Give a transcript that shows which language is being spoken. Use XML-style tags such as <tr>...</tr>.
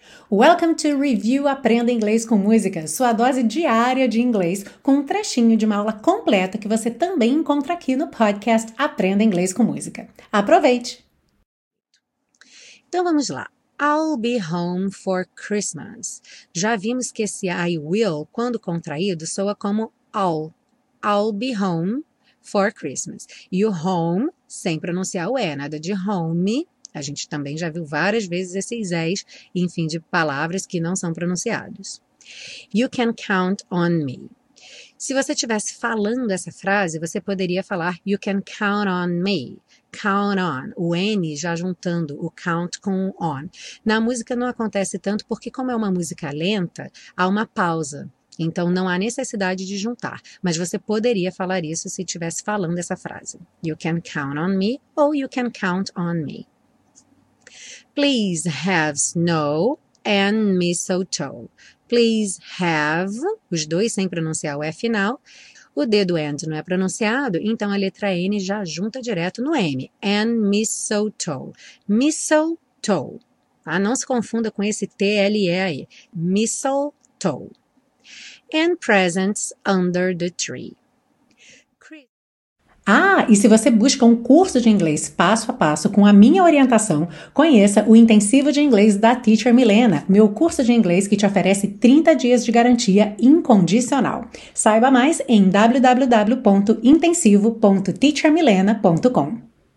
<en>Welcome to Review</en> <pt>Aprenda Inglês com Música, sua dose diária de inglês, com um trechinho de uma aula completa que você também encontra aqui no podcast Aprenda Inglês com Música. Aproveite! Então vamos lá.</pt> <en>I'll be home for Christmas.</en> <pt>Já vimos que esse I will, quando contraído, soa como all.</pt> <en>I'll be home for Christmas.</en> <pt>E o home, sem pronunciar o E, nada de home. A gente também já viu várias vezes esses E's, enfim, de palavras que não são pronunciados.</pt> <en>You can count on me.</en> <pt>Se você estivesse falando essa frase, você poderia falar</pt> <en>you can count on me.</en> <pt>Count on, o N já juntando o count com o on. Na música não acontece tanto porque como é uma música lenta, há uma pausa. Então não há necessidade de juntar, mas você poderia falar isso se estivesse falando essa frase.</pt> <en>You can count on me ou you can count on me. Please have snow and mistletoe.</en> <pt>Please have, os dois sem pronunciar o E final. O dedo and não é pronunciado, então a letra N já junta direto no M.</pt> <en>And mistletoe. Mistletoe. Tá?</en> <pt>Não se confunda com esse T-L-E aí.</pt> <en>Mistletoe. And presents under the tree.</en> <pt>Ah, e se você busca um curso de inglês passo a passo com a minha orientação, conheça o Intensivo de Inglês da Teacher Milena, meu curso de inglês que te oferece 30 dias de garantia incondicional. Saiba mais em www.intensivo.teachermilena.com.</pt>